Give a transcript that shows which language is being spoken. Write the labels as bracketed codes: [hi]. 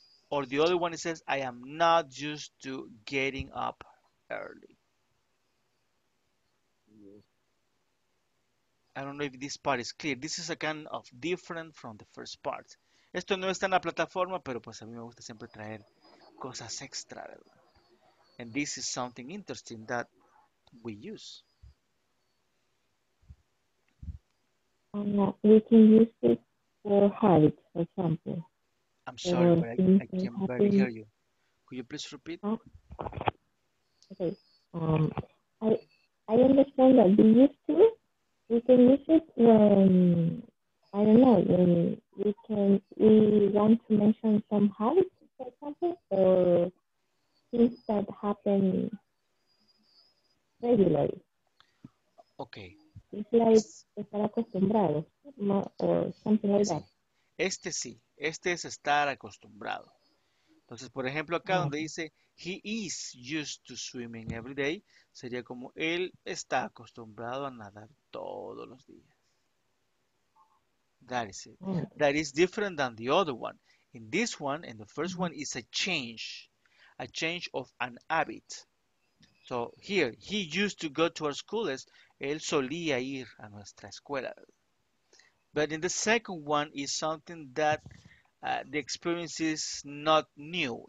[en] Or the other one, it says, I am not used to getting up early. I don't know if this part is clear. This is a kind of different from the first part. [es] Esto no está en la plataforma, pero pues a mí me gusta siempre traer cosas extra, ¿verdad? [en] And this is something interesting that we use. We can use it for height, for example. I'm sorry, but I can barely hear you. Could you please repeat? Okay. I understand that we used to. We can use it when, I don't know, when we want to mention some habits, for example, or things that happen regularly. Okay. It's like [es] estar acostumbrado, [en] or something like that. [es] Este sí, este es estar acostumbrado. Entonces, por ejemplo, acá donde dice, [en] he is used to swimming every day, [es] sería como, él está acostumbrado a nadar todos los días. [en] That is it. That is different than the other one. In this one, in the first one, is a change of an habit. So here, he used to go to our school as [es] él solía ir a nuestra escuela. [en] But in the second one, is something that the experience is not new.